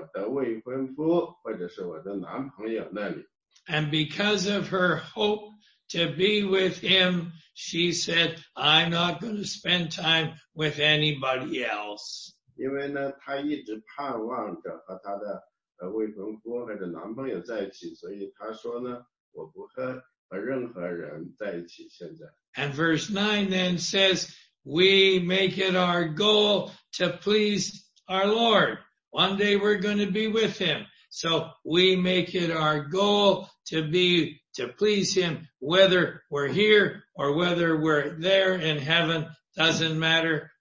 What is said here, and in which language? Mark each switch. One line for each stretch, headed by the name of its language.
Chinese: 因为当时呢，那个她的太太跟那个年轻人说，我不能花任何时间跟你在一起，因为我的心在大洋的那边，在我的未婚夫或者是我的男朋友那里。
English: And because of her hope to be with him, she said, I'm not going to spend time with anybody else.
Chinese: 因为呢，她一直盼望着和她的未婚夫或者男朋友在一起，所以她说呢，我不和任何人在一起现在。
English: And verse 9 then says, we make it our goal to please our Lord. One day we're going to be with him. So we make it our goal to please him, whether we're here or whether we're there in heaven, doesn't matter.